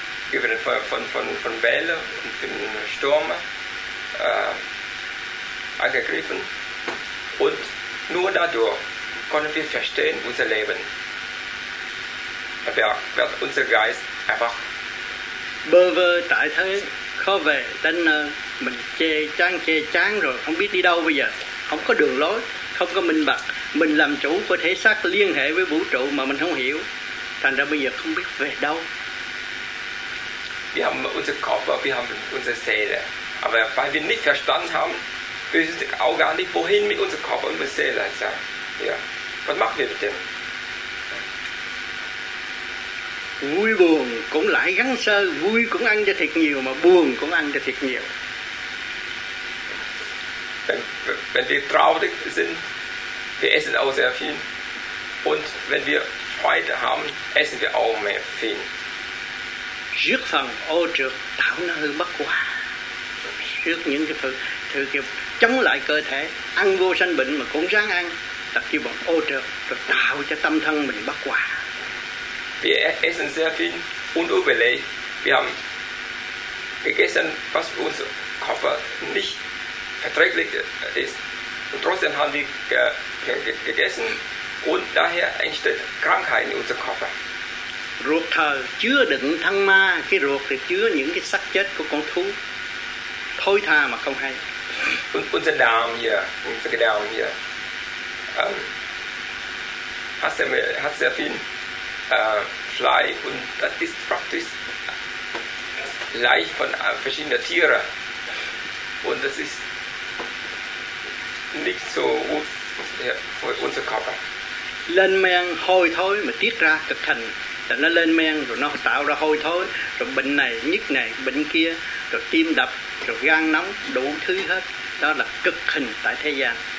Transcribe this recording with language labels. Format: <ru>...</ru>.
<de>Wir werden von Wellen und von Stürmen angegriffen. Und nur dadurch können wir verstehen unser Leben. Wird unser Geist einfach</de> <vi>bơ vơ tại thế, khó về đến nơi, mình chê chán rồi, không biết đi đâu bây giờ, không có đường lối, không có minh bạch, mình làm chủ của thể xác liên hệ với vũ trụ mà mình không hiểu, thành ra bây giờ không biết về đâu.</vi> <de>Wir haben unser Körper, wir haben unsere Seele, aber weil wir nicht verstanden haben, wir wissen auch gar nicht, wohin mit unserem Körper und unserer Seele. Also, ja, was machen wir mit dem?</de> <vi>Vui buồn cũng lại gắn sơ, vui cũng ăn cho thiệt nhiều mà buồn cũng ăn cho thiệt nhiều.</vi> <de>Wenn wir traurig sind, wir essen auch sehr viel. Und wenn wir Freude haben, essen wir auch mehr viel.</de> <vi>Rước phần ô trược tạo nó hư bất hòa. Rước những cái thứ kiểu chống lại cơ thể, ăn vô sanh bệnh mà cũng ráng ăn, tập kêu bằng ô trược rồi tạo cho tâm thân mình bất hòa.</vi> <de>Wir essen sehr viel und überlegen. Wir haben gegessen, was für unser Körper nicht verträglich ist. Und trotzdem haben wir gegessen und daher entsteht Krankheit in unserem Körper.</de> <vi>Ruột thờ chứa đựng thân ma, cái ruột thì chứa những cái xác chết của con thú. Thôi tha mà không hay.</vi> <de>Unser Darm hier, unser Darm hier, hat sehr viel Fleisch und das ist praktisch Fleisch von verschiedenen Tieren. Und das ist nicht so gut für unseren Körper.</de> <vi>Lên men hôi thối mà tiết ra cực hình. Nó lên men rồi nó tạo ra hôi thối, rồi bệnh này, nhức này, bệnh kia, rồi tim đập, rồi gan nóng, đủ thứ hết. Đó là cực hình tại thế gian.</vi>